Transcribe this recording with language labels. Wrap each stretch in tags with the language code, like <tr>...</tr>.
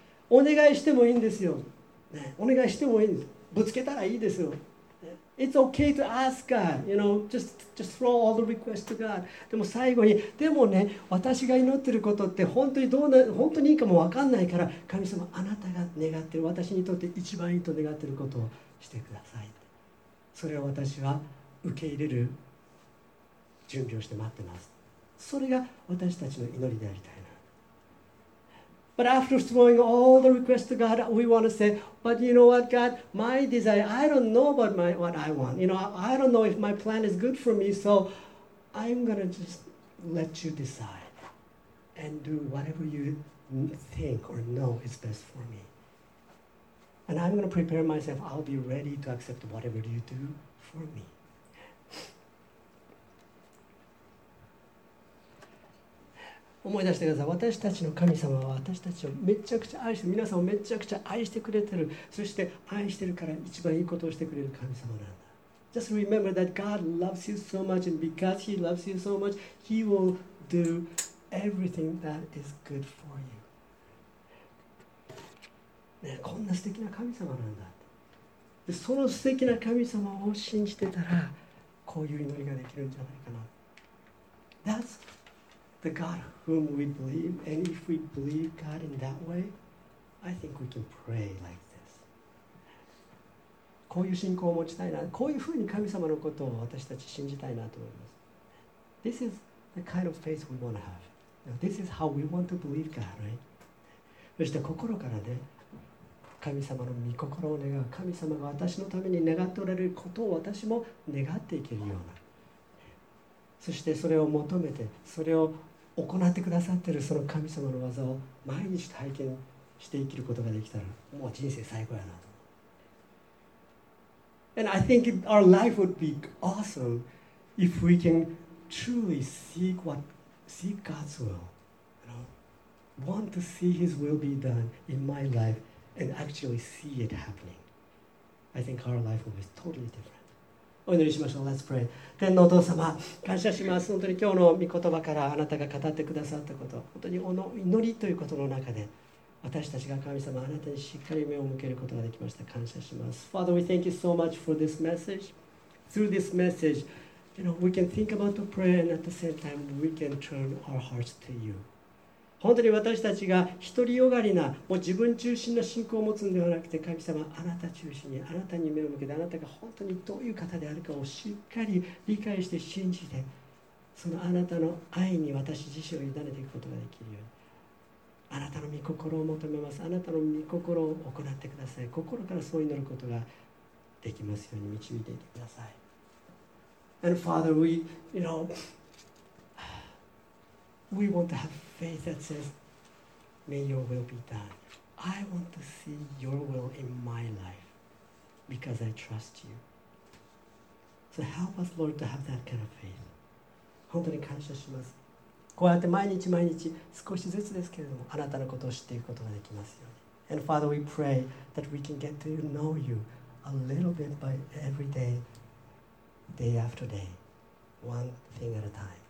<ja>お願いしてもいいんですよ。ね、お願いしてもいいんです。ぶつけたらいいですよ。</ja> <en>It's okay to ask God, you know, just throw all the requests to God.</en> <ja>でも最後に、でもね、私が祈ってることって本当にどうな、本当にいいかも分かんないから、神様、あなたが願ってる、私にとって一番いいと願ってることをしてください。それを私は受け入れる準備をして待ってます。それが私たちの祈りでありたいな。</ja> <en>But after throwing all the requests to God, we want to say, but you know what, God, my desire, I don't know about my, what I want. You know, I don't know if my plan is good for me, so I'm going to just let you decide and do whatever you think or know is best for me. And I'm going to prepare myself. I'll be ready to accept whatever you do for me.</en> <ja>思い出してください。私たちの神様は私たちをめちゃくちゃ愛して、皆さんをめちゃくちゃ愛してくれてる。そして愛してるから一番いいことをしてくれる神様なんだ。</ja> <en>Just remember that God loves you so much, and because He loves you so much, He will do everything that is good for you、</en> <ja>ね、こんな素敵な神様なんだ。でその素敵な神様を信じてたらこういう祈りができるんじゃないかな。</ja> <en>That'sThe God whom we believe, and if we believe God in that way, I think we can pray like this.</en> <ja>こういう信仰を持ちたいな、こういうふうに神様のことを私たち信じたいなと思います。</ja> <en>This is the kind of faith we want to have. Now, this is how we want to believe God, right?</en> <ja>そして心からね、神様の御心を願う、神様が私のために願っておられることを私も願っていけるような。そしてそれを求めて、それを行ってくださっているその神様の技を毎日体験して生きることができたら、もう人生最高やなと。</ja> <en>And I think our life would be awesome if we can truly seek what, seek God's will, you know, want to see His will be done in my life and actually see it happening. I think our life would be totally different.</en> <ja>お祈りしましょう。</ja> <en>Let's pray.</en> <ja>天のお父様、感謝します。本当に今日の御言葉からあなたが語ってくださったこと、本当にこの祈りということの中で私たちが神様あなたにしっかり目を向けることができました。感謝します。</ja> <en>Father, we thank you so much for this message. Through this message, you know, we can think about the prayer and at the same time we can turn our hearts to you.</en> <ja>本当に私たちが独りよがりな、もう自分中心な信仰を持つのではなくて、神様あなた中心に、あなたに目を向けて、あなたが本当にどういう方であるかをしっかり理解して信じて、そのあなたの愛に私自身を委ねていくことができるように、あなたの御心を求めます。あなたの御心を行ってください。心からそう祈ることができますように導いていてください。</ja> <en>And Father, we, you know, we want to haveFaith that says, may your will be done. I want to see your will in my life because I trust you. So help us, Lord, to have that kind of faith.</en> <ja>本当に感謝します。こうやって毎日毎日少しずつですけれども、あなたのことを知っていくことができますように。</ja> <en>And Father, we pray that we can get to know you a little bit by every day, day after day, one thing at a time.</en>